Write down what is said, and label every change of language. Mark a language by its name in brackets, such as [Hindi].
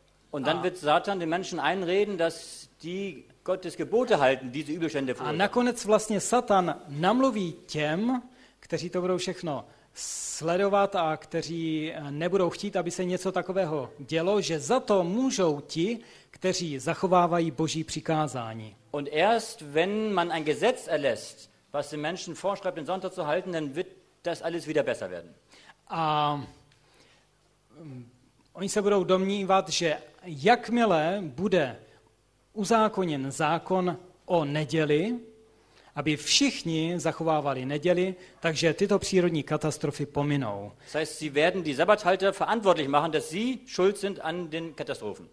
[German] Und dann wird Satan den Menschen einreden, dass die Gottes Gebote halten, diese Übelstände verursachen. [Czech] A nakonec vlastně Satan namluví těm, kteří to budou všechno sledovat a kteří nebudou chtít, aby se něco takového dělo, že za to můžou ti, kteří zachovávají Boží přikázání. [German] Und erst wenn man ein Gesetz erlässt, was den Menschen vorschreibt, den Sonntag zu halten, dann wird das alles wieder besser werden. [Czech] A oni se budou domnívat, že jakmile bude uzákoněn zákon o neděli, aby všichni zachovávali neděli, takže tyto přírodní katastrofy pominou. [German] Das heißt, sie werden die Sabbathalter verantwortlich machen, dass sie schuld sind an den Katastrophen.